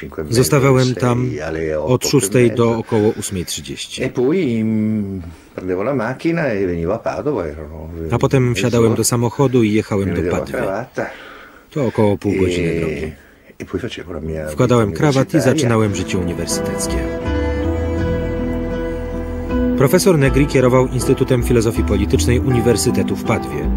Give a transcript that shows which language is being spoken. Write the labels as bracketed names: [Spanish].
[Polish] Zostawałem tam od 6 do około 8:30. [Italian] E poi prendevo la macchina e venivo a Padova. [Polish] A potem wsiadałem do samochodu i jechałem do Padwy. To około pół godziny drogi. [Italian] E poi facevo la mia. [Polish] Wkładałem krawat i zaczynałem życie uniwersyteckie. Profesor Negri kierował Instytutem Filozofii Politycznej Uniwersytetu w Padwie.